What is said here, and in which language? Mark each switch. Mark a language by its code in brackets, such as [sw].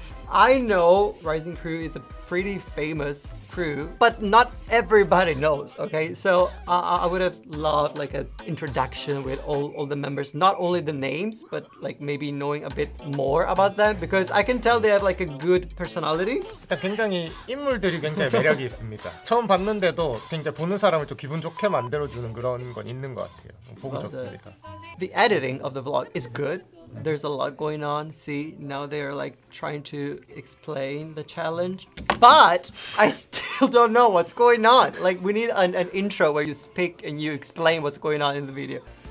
[en] I know Rising Crew is a pretty famous crew, but not everybody knows, okay? So I would have loved like an introduction with all the members, not only the names, but like maybe knowing a bit more about them, because I can tell they have like a good personality. [ko] 일단 굉장히 인물들이 굉장히 매력이 있습니다. 처음 봤는데도 굉장히 보는 사람을 좀 기분 좋게 만들어주는 그런 건 있는 것 같아요. 보고 좋습니다. [en] The editing of the vlog is good. There's a lot going on. See, now they're like trying to explain the challenge, but I still don't know what's going on. Like, we need an intro where you speak and you explain what's going on in the video.